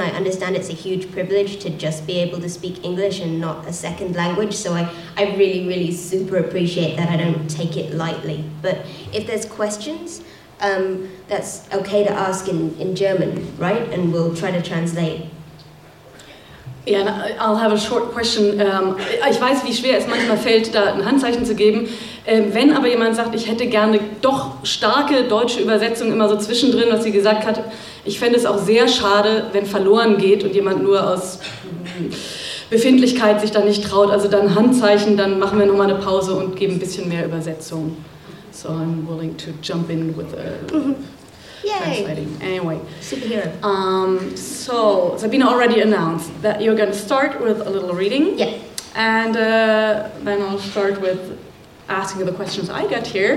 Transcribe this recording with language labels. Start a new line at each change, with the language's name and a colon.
English: I understand it's a huge privilege to just be able to speak English and not a second language, so I really, really super appreciate that. I don't take it lightly. But if there's questions, that's okay to ask in German, right? And we'll try to translate. Yeah, I'll have a short question.
German: Ich weiß, wie schwer es manchmal fällt, da ein Handzeichen zu geben. Wenn aber jemand sagt, ich hätte gerne doch starke deutsche Übersetzung immer so zwischendrin, was sie gesagt hat, ich fände es auch sehr schade, wenn verloren geht und jemand nur aus Befindlichkeit sich da nicht traut. Also dann Handzeichen, dann machen wir nochmal eine Pause und geben ein bisschen mehr Übersetzung.
English: So I'm willing to jump in with a... Yay! Anyway, superhero. So Sabina already announced that you're going to start with a little reading. Yeah. And then I'll start with asking the questions I got here.